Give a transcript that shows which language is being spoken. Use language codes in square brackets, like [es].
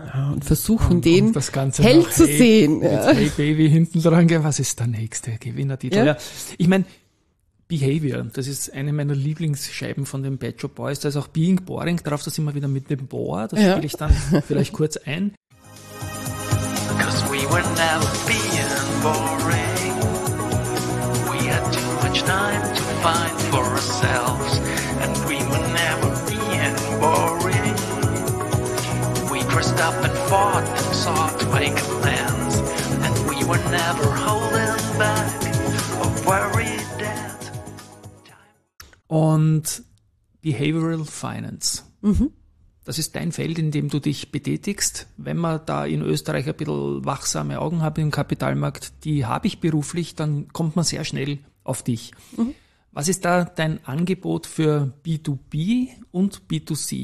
[de] Ja, und versuchen, den das Ganze hell zu sehen. Hey, Baby, hinten dran, was ist der nächste Gewinnertitel? Ja. Ja. Ich meine, Behavior, das ist eine meiner Lieblingsscheiben von den Pet Shop Boys. Da ist auch Being Boring drauf, da sind wir wieder mit dem Boar. Das spiele ich dann vielleicht kurz ein. [en] Because we were never being boring. We had too much time to find for ourselves. And we were never being boring. We dressed up and fought and sought to make plans. And we were never holding back or worried. [de] Und Behavioral Finance, das ist dein Feld, in dem du dich betätigst. Wenn man da in Österreich ein bisschen wachsame Augen hat im Kapitalmarkt, die habe ich beruflich, dann kommt man sehr schnell auf dich. Mhm. Was ist da dein Angebot für B2B und B2C?